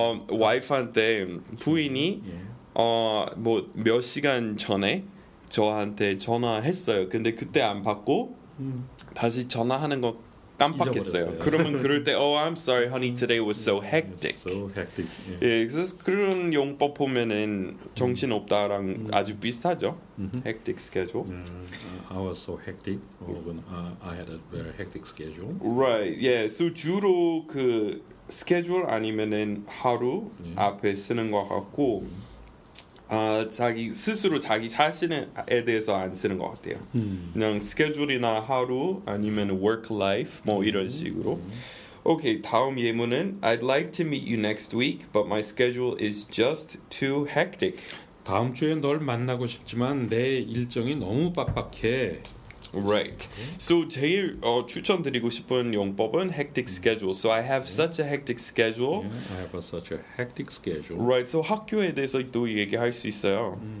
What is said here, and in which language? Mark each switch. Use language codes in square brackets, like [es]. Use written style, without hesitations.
[ko] 와이프한테 부인이 뭐 몇 시간 전에 저한테 전화했어요. 근데 그때 안 받고 다시 전화하는 거 깜빡했어요. 그러면 그럴 때 [en] Oh, I'm sorry, honey. Today was so hectic. So hectic. [ko] Yeah. 예, 그래서 그런 용법 보면은 정신 없다랑 아주 비슷하죠. [en] Hectic schedule. I was so hectic. Or when I had a very hectic schedule. [ko] Right. Yeah. So 주로 그 schedule 아니면은 하루 앞에 쓰는 것 같고. 자기 스스로 자기 자신에 대해서 안 쓰는 것 같아요. 그냥 스케줄이나 하루 아니면 work life 뭐 이런 식으로. [en] Okay, [ko] 다음 예문은 [en] I'd like to meet you next week, but my schedule is just too hectic. [ko] 다음 주에 널 만나고 싶지만 내 일정이 너무 빡빡해. Right. So 제일 추천드리고 싶은 용법은 hectic schedule. [en] So I have such a hectic schedule. Yeah, I have such a hectic schedule. Right. [ko] So 학교에 대해서도 얘기할 수 있어요.